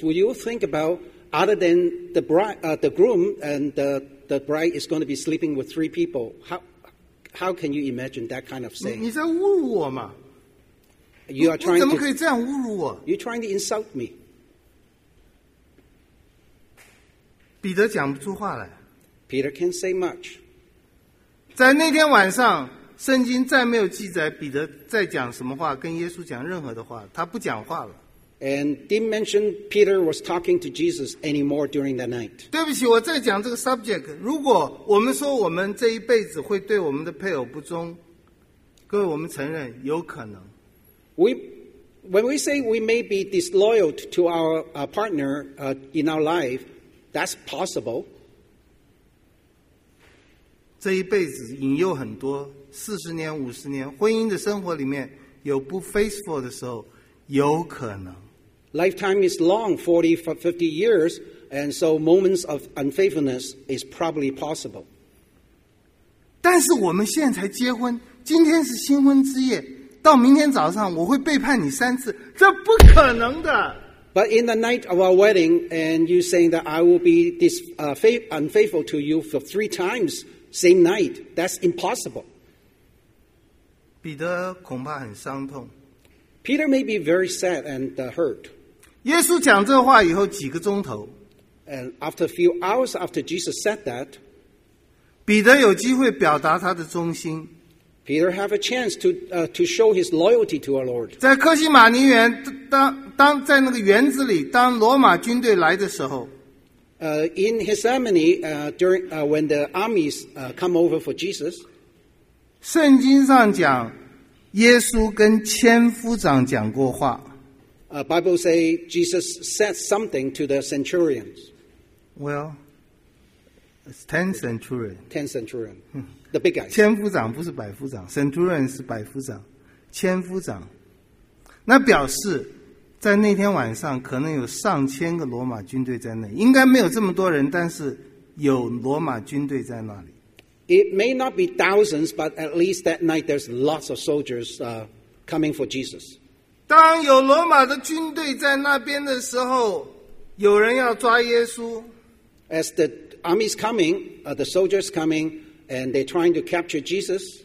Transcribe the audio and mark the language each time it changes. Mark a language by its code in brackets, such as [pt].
[en] will you think about, other than the bride, the groom and the bride is going to be sleeping with three people, how can you imagine that kind of saying? [zh] 你在侮辱我吗? [en] You are trying [zh] 我怎么可以这样侮辱我? [en] You're trying to insult me. [zh] 彼得讲不出话来。 [en] Peter can't say much. [zh] 在那天晚上, 圣经再没有记载彼得在讲什么话,跟耶稣讲任何的话, 他不讲话了。 [en] And didn't mention Peter was talking to Jesus anymore during that night. [zh] 对不起, 我再讲这个 subject, 如果我们说我们这一辈子会对我们的配偶不忠, 各位我们承认, 有可能。 [en] When we say we may be disloyal to our partner in our life, that's possible. [zh] 这一辈子引诱很多, 40年, 50年, 婚姻的生活里面, 有不faithful的时候, 有可能。 [en] Lifetime is long, 40, 50 years, and so moments of unfaithfulness is probably possible. [zh] 但是我们现在才结婚, 今天是新婚之夜, 到明天早上, 我会背叛你三次, 这不可能的。 [en] But in the night of our wedding, and you saying that I will be unfaithful to you for three times, same night, that's impossible. [zh] 彼得恐怕很伤痛。 [en] Peter may be very sad and hurt. [zh] 耶稣讲这话以后几个钟头, [en] and after a few hours after Jesus said that, [zh] 彼得有机会表达他的忠心。 [en] Peter have a chance to show his loyalty to our Lord. [zh] 在科西玛尼园, 在那个园子里, 当罗马军队来的时候, [en] In Gethsemane, when the armies come over for Jesus, [zh] 圣经上讲, 耶稣跟千夫长讲过话, [en] Bible say Jesus said something to the centurions. Well, it's 10 centurions. 10 centurions. The big guys. [zh] 千夫长不是百夫长, centurion 是百夫长, 千夫长, 那表示, 在那天晚上, 可能有上千个罗马军队在那, 应该没有这么多人, 但是有罗马军队在那里。 [en] It may not be thousands, but at least that night, there's lots of soldiers coming for Jesus. [zh] 当有罗马的军队在那边的时候, 有人要抓耶稣。 [en] As the army's coming, the soldiers coming, and they're trying to capture Jesus.